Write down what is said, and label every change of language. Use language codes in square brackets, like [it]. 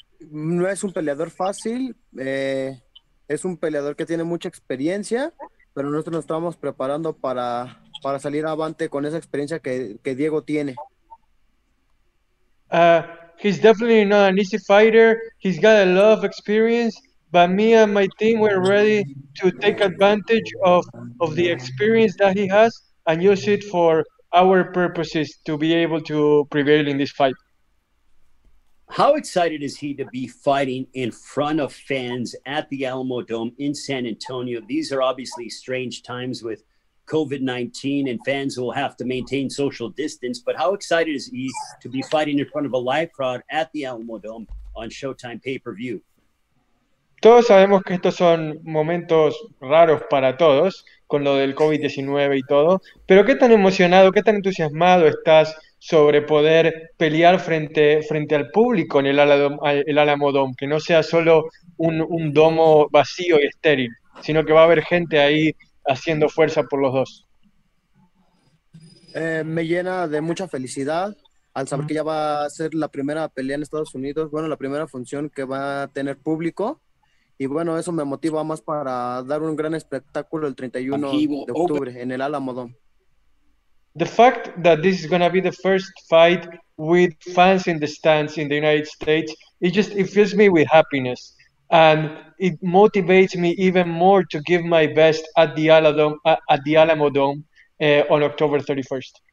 [es] No es un peleador fácil, es un peleador que tiene mucha experiencia, pero nosotros nos estamos preparando para salir avante con esa experiencia que Diego tiene. [en] He's definitely not an easy fighter, he's got a lot of experience, but me and my team were ready to take advantage of the experience that he has and use it for our purposes to be able to prevail in this fight. How excited is he to be fighting in front of fans at the Alamo Dome in San Antonio? These are obviously strange times with COVID-19, and fans will have to maintain social distance. But how excited is he to be fighting in front of a live crowd at the Alamo Dome on Showtime pay-per-view? [es] Todos sabemos que estos son momentos raros para todos, con lo del COVID-19 y todo, pero ¿qué tan emocionado, qué tan entusiasmado estás sobre poder pelear frente al público en el Alamo Dome, que no sea solo un domo vacío y estéril, sino que va a haber gente ahí haciendo fuerza por los dos? Me llena de mucha felicidad al saber que ya va a ser la primera pelea en Estados Unidos, bueno, la primera función que va a tener público. Y bueno, eso me motiva más para dar un gran espectáculo el 31 de octubre en el Alamo Dome. [en] The fact that this is going to be the first fight with fans in the stands in the United States, it fills me with happiness. And it motivates me even more to give my best at the Alamo Dome on October 31st.